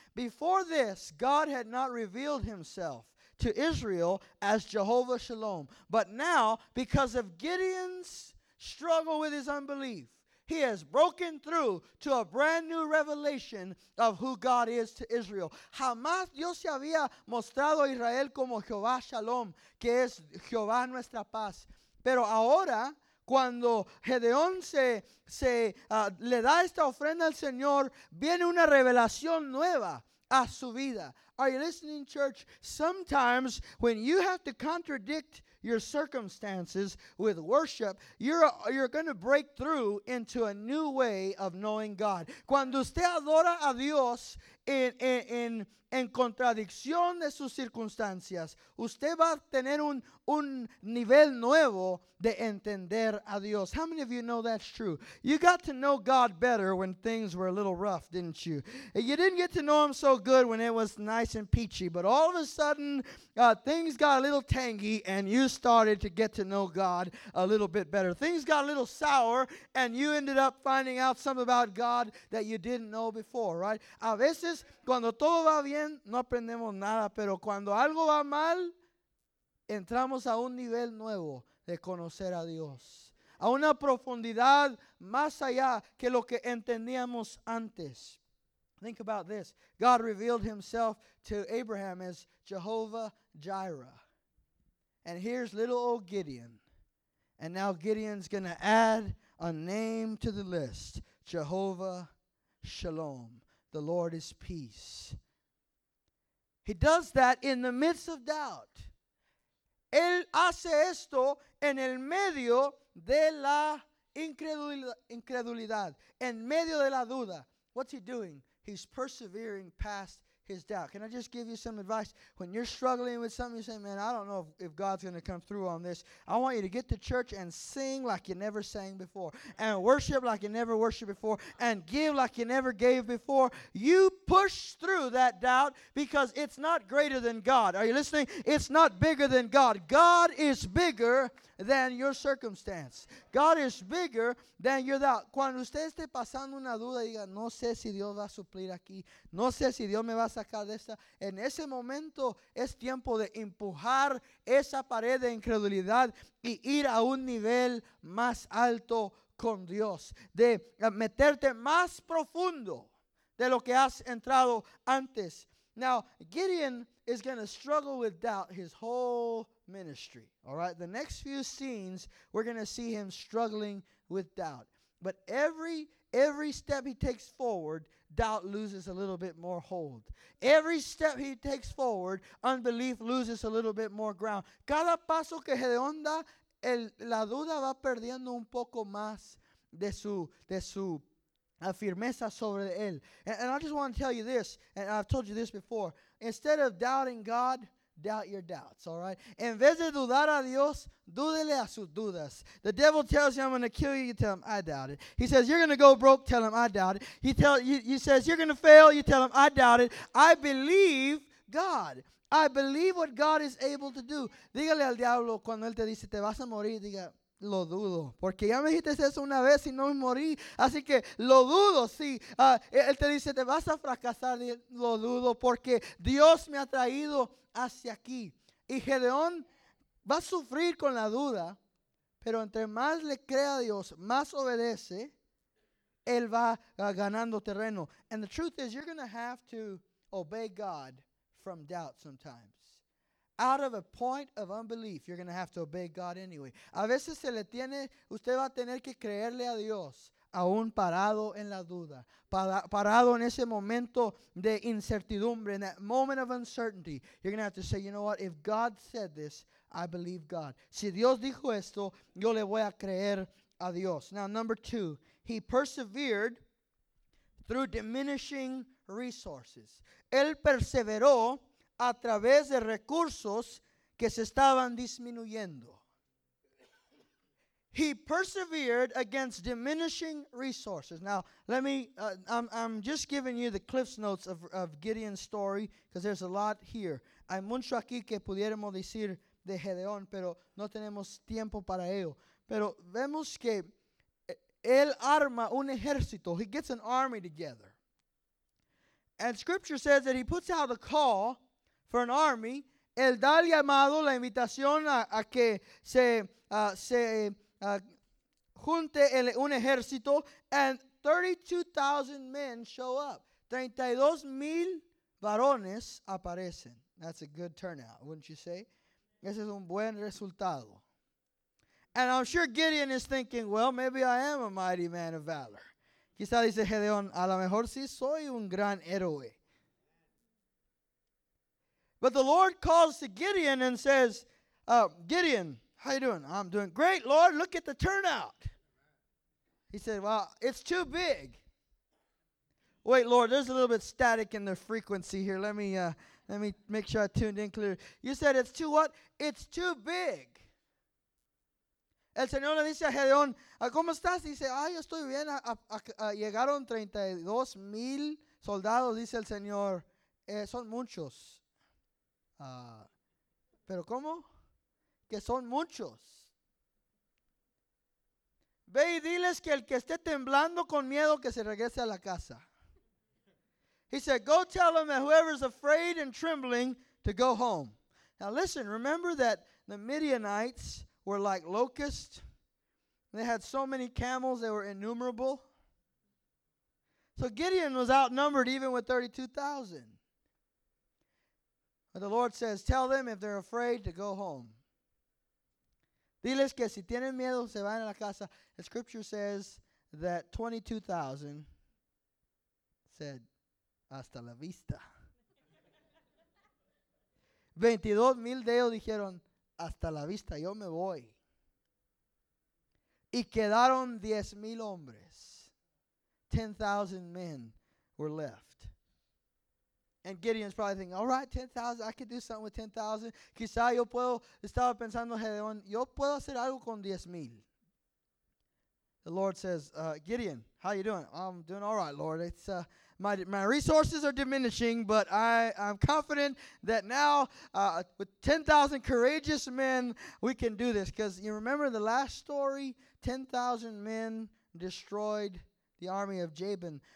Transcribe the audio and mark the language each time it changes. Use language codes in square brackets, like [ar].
[en] Before this, God had not revealed himself to Israel as Jehovah Shalom. But now, because of Gideon's struggle with his unbelief, he has broken through to a brand new revelation of who God is to Israel. [es] Jamás Dios se había mostrado a Israel como Jehová Shalom, que es Jehová nuestra paz. Pero ahora, cuando Gedeón le da esta ofrenda al Señor, viene una revelación nueva a su vida. [en] Are you listening, church? Sometimes when you have to contradict your circumstances with worship, you're going to break through into a new way of knowing God. [es] Cuando usted adora a Dios en contradicción de sus circunstancias, usted va a tener un nivel nuevo de entender a Dios. [en] How many of you know that's true? You got to know God better when things were a little rough, didn't you? You didn't get to know him so good when it was nice and peachy, but all of a sudden, things got a little tangy, and you started to get to know God a little bit better. Things got a little sour, and you ended up finding out something about God that you didn't know before, right? [es] A veces, cuando todo va bien, no aprendemos nada, pero cuando algo va mal, entramos a un nivel nuevo de conocer a Dios, a una profundidad más allá que lo que entendíamos antes. [en] Think about this. God revealed himself to Abraham as Jehovah Jireh. And here's little old Gideon. And now Gideon's going to add a name to the list, Jehovah Shalom. The Lord is peace. He does that in the midst of doubt. [es] Él hace esto en el medio de la incredulidad, en medio de la duda. [en] What's he doing? He's persevering past his doubt. Can I just give you some advice? When you're struggling with something, you say, man, I don't know if God's going to come through on this. I want you to get to church and sing like you never sang before, and worship like you never worshiped before, and give like you never gave before. You push through that doubt because it's not greater than God. Are you listening? It's not bigger than God. God is bigger than your circumstance. God is bigger than your doubt. [es] Cuando usted esté pasando una duda y diga, no sé si Dios va a suplir aquí, no sé si Dios me va a sacar de esta, en ese momento es tiempo de empujar esa pared de incredulidad y ir a un nivel más alto con Dios, de meterte más profundo de lo que has entrado antes. [en] Now, Gideon is going to struggle with doubt his whole ministry. All right, the next few scenes, we're going to see him struggling with doubt. But every step he takes forward, doubt loses a little bit more hold. Every step he takes forward, unbelief loses a little bit more ground. [es] Cada paso que Gedeón da, la duda va perdiendo un poco más de su firmeza sobre él. [en] And I just want to tell you this, and I've told you this before. Instead of doubting God, doubt your doubts, all right? [es] En vez de dudar a Dios, dúdele a sus dudas. [en] The devil tells you, I'm going to kill you, you tell him, I doubt it. He says, you're going to go broke, tell him, I doubt it. He says, you're going to fail, you tell him, I doubt it. I believe God. I believe what God is able to do. [es] Dígale al diablo cuando él te dice, te vas a morir, diga, lo dudo, porque ya me dijiste eso una vez y no me morí, así que lo dudo, sí. Él te dice, te vas a fracasar, lo dudo, porque Dios me ha traído hacia aquí. Y Gedeón va a sufrir con la duda, pero entre más le crea a Dios, más obedece, él va ganando terreno. [en] And the truth is, you're going to have to obey God from doubt sometimes. Out of a point of unbelief, you're going to have to obey God anyway. [es] A veces se le tiene, usted va a tener que creerle a Dios, aún parado en la duda, parado en ese momento de incertidumbre, [en] in that moment of uncertainty. You're going to have to say, you know what, if God said this, I believe God. [es] Si Dios dijo esto, yo le voy a creer a Dios. [en] Now, number two, he persevered through diminishing resources. [es] Él perseveró a través de recursos que se estaban disminuyendo. [en] He persevered against diminishing resources. Now, I'm just giving you the Cliff's Notes of Gideon's story, because there's a lot here. [es] Hay mucho aquí que pudiéramos decir de Gedeón, pero no tenemos tiempo para ello. Pero vemos que él arma un ejército. [en] He gets an army together. And scripture says that he puts out a call for an army. [es] Él da el llamado, la invitación a que se junte un ejército. [en] And 32,000 men show up. [es] 32,000 varones aparecen. [en] That's a good turnout, wouldn't you say? [es] Ese es un buen resultado. [en] And I'm sure Gideon is thinking, well, maybe I am a mighty man of valor. [es] Quizá dice Gedeón, a lo mejor sí soy un gran héroe. [en] But the Lord calls to Gideon and says, Gideon, how you doing? I'm doing great, Lord. Look at the turnout. He said, well, it's too big. Wait, Lord, there's a little bit static in the frequency here. Let me make sure I tuned in clear. You said it's too what? It's too big. [es] El Señor le dice a Gedeón, ¿cómo estás? Dice, ay, estoy bien. Llegaron 32,000 soldados, dice el Señor. Son muchos. ¿Pero cómo? Que son muchos. Ve y diles que el que esté temblando con miedo que se regrese a la casa. [en] He said, go tell them that whoever is afraid and trembling to go home. Now listen, remember that the Midianites were like locusts. They had so many camels, they were innumerable. So Gideon was outnumbered even with 32,000. But the Lord says, tell them if they're afraid to go home. [es] Diles que si tienen miedo, se van a la casa. [en] The scripture says that 22,000 said, [es] hasta la vista. 22,000 de ellos dijeron, hasta la vista, yo me voy. Y quedaron 10,000 hombres. [en] 10,000 men were left. And Gideon's probably thinking, all right, 10,000, I could do something with 10,000. Quizá yo puedo, estaba pensando Gedeón, yo puedo hacer algo con 10,000. The Lord says, Gideon, how you doing? I'm doing all right, Lord. It's my resources are diminishing, but I'm confident that now with 10,000 courageous men, we can do this. Because you remember the last story, 10,000 men destroyed the army of Jabin.